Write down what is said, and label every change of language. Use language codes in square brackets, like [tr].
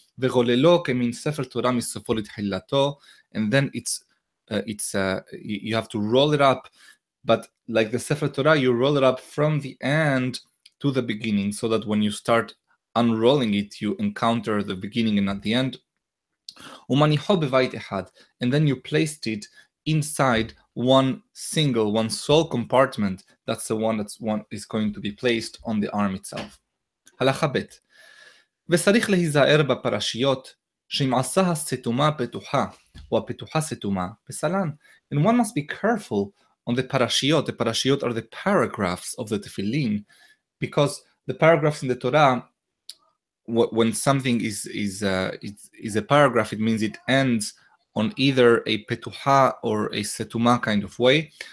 [en] And then you have to roll it up, but like the Sefer Torah, you roll it up from the end to the beginning, so that when you start unrolling it, you encounter the beginning and not the end. And then you placed it inside one sole compartment. That's the one that's one is going to be placed on the arm itself. Halacha bet. [he] וצריך להיזהר בפרשיות שאם עשה הסתומה פתוחה או הפתוחה סתומה בסלן. [en] And one must be careful on the parashiot. The parashiot are the paragraphs of the tefillin, because the paragraphs in the Torah, when something is a paragraph, it means it ends on either a petuha or a setuma kind of way.